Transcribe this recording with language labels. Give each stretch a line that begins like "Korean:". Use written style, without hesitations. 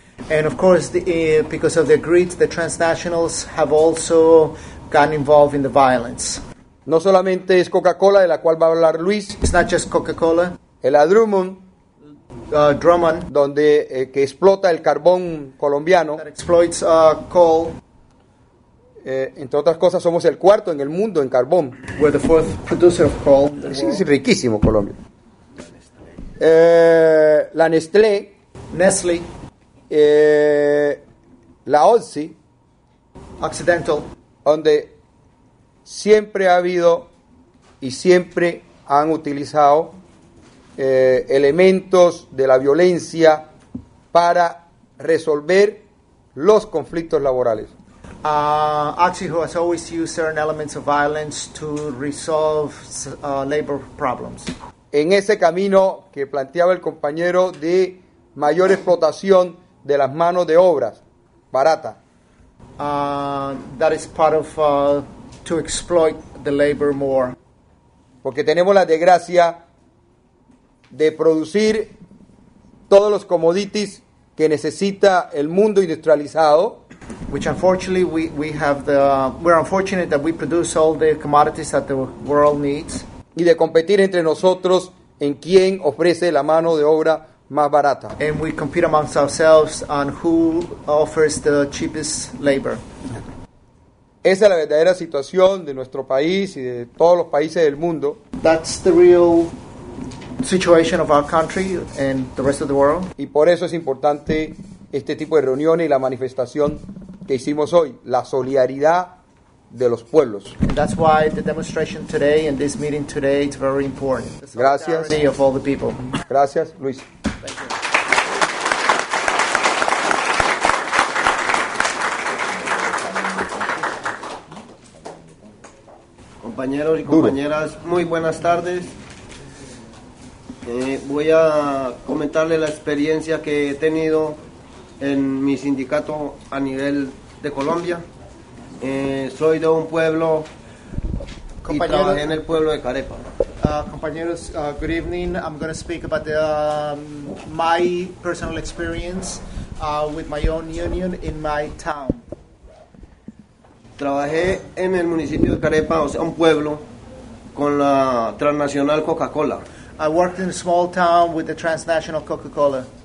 English: And of course, because of their greed, the transnationals have also gotten involved in the violence.
Spanish: No solamente es Coca-Cola, de la cual va a hablar Luis.
English: It's not just Coca-Cola.
Spanish: El Drummond.
English: Drummond.
Spanish: Donde, que explota el carbón colombiano.
English: That exploits coal.
Spanish: Entre otras cosas, somos el cuarto en el mundo en carbón.
English: We're the fourth producer of coal.
Spanish: Es riquísimo Colombia. La Nestlé.
English: Nestlé.
Spanish: La OCI
English: Occidental,
Spanish: donde siempre ha habido y siempre han utilizado elementos de la violencia para resolver los conflictos laborales.
English: OCI has always used certain elements of violence to resolve labor problems.
Spanish: En ese camino que planteaba el compañero de mayor explotación de las manos de obras barata.
English: That is part of to exploit the labor more.
Spanish: Porque tenemos la desgracia de producir todos los commodities que necesita el mundo industrializado.
English: Which unfortunately we're unfortunate that we produce all the commodities that the world needs.
Spanish: Y de competir entre nosotros en quién ofrece la mano de obra más barata.
English: And we compete amongst ourselves on who offers the cheapest labor.
Spanish: Esa es la verdadera situación de nuestro país y de todos los países del mundo.
English: That's the real situation of our country and the rest of the world.
Spanish: Y por eso es importante este tipo de reuniones y la manifestación que hicimos hoy, la solidaridad de los pueblos.
English: And that's why the demonstration today and this meeting today is very important. The solidarity.
Spanish: Gracias.
English: Of all the people.
Spanish: Gracias, Luis. Compañeros y compañeras, muy buenas tardes. Voy a comentarle la experiencia que he tenido en mi sindicato a nivel de Colombia. Soy de un pueblo compañeros, y trabajé en el pueblo de Carepa. Compañeros,
English: good evening. I'm going to speak about the, my personal experience with my own union in my town.
Spanish: Trabajé en el municipio de Carepa, o sea, un pueblo, con la transnacional Coca-Cola.
English: I worked in a small town with the transnational Coca-Cola.